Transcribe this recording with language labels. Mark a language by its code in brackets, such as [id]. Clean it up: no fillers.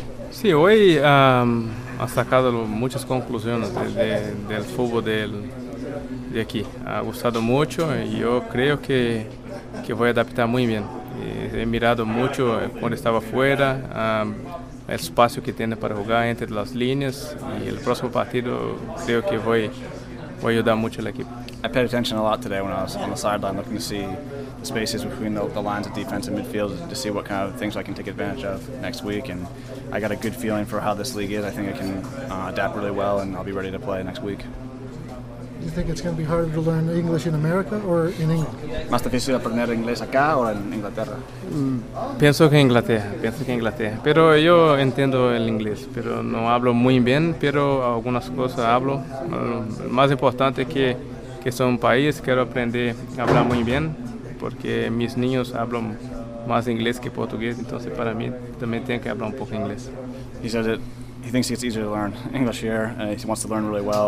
[es] Sí, hoy ha sacado muchas conclusiones del fútbol de aquí. Ha gustado mucho y yo creo que voy a adaptar muy bien. He mirado mucho cuando estaba fuera, el espacio que tiene para jugar entre las líneas, y el próximo partido creo que voy a ayudar mucho al equipo. [en] I paid attention a lot today when I was on the sideline looking to see the spaces between the lines of defense and midfield to see what kind of things I can take advantage of next week, and I got a good feeling for how this league is. I think I can adapt really well and I'll be ready to play next week. Do you think it's going to be harder to learn English in America or in England? [es] ¿Más difícil aprender inglés acá o en Inglaterra? Pienso que Inglaterra. Pero yo entiendo el inglés, pero no hablo muy bien, pero algunas cosas hablo. Más importante que soy un país, quiero aprender a hablar muy bien, porque mis niños hablan más inglés que portugués, entonces para mí también tengo que hablar un poco inglés. [en] He says that he thinks it's easier to learn English here. He wants to learn really well.